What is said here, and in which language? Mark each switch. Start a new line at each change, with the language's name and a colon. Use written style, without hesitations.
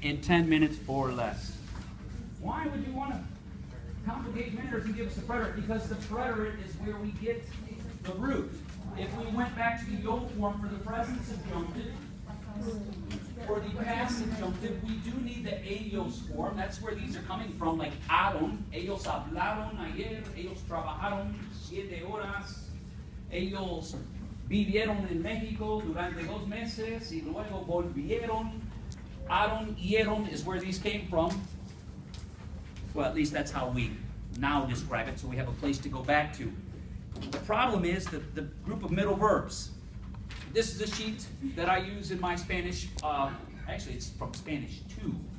English: In 10 minutes or less. Why would you want to complicate matters and give us the preterite? Because the preterite is where we get the root. If we went back to the old form for the present subjunctive, for the past subjunctive, we do need the ellos form. That's where these are coming from, like aron.
Spanish: Ellos hablaron ayer, ellos trabajaron 7 horas, ellos vivieron en México durante 2 meses, y luego volvieron.
English: Aron, ieron is where these came from. Well, at least that's how we now describe it, so we have a place to go back to. The problem is that the group of middle verbs. This is a sheet that I use in my Spanish, actually it's from Spanish 2.